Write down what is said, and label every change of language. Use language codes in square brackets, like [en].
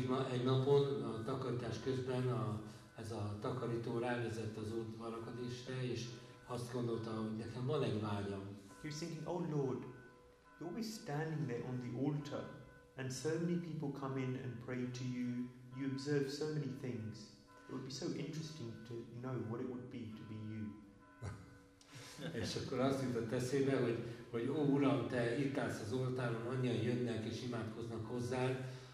[hu] Egy napon a takarítás közben ez a takarító ránézett az Úr Dwarkadishre, és azt gondolta, hogy nekem van egy vágyam. [en] He was thinking, oh Lord, you're always standing there on the altar, and so many people come in and pray to you. You observe so many things. It would be so interesting to know what it would be to be you. [hu] És akkor azt jutott eszébe, hogy ó Uram, te itt állsz az oltáron, annyian jönnek és imádkoznak hozzád.